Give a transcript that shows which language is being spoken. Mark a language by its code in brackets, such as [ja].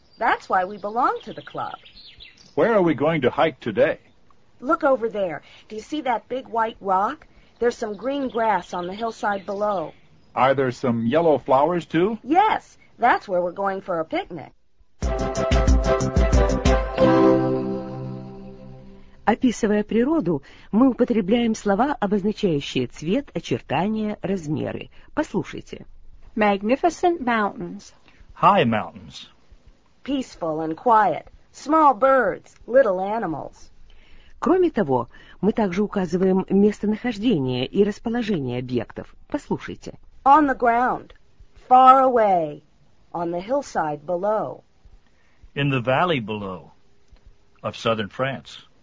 [en] That's why we belong to the club. Where are we going to hike today? Look over there. Do you see that big white rock? There's some green grass on the hillside below. Are there some yellow flowers, too? Yes. That's where we're going for a picnic. [ru] Описывая природу, мы употребляем слова, обозначающие цвет, очертания, размеры. Послушайте. [en] Magnificent mountains. High mountains. Peaceful and quiet. Small birds, little animals. [ru] Кроме того, мы также указываем местонахождение и расположение объектов. Послушайте. [en] On the ground, far away, on the hillside below. In the valley below of southern France.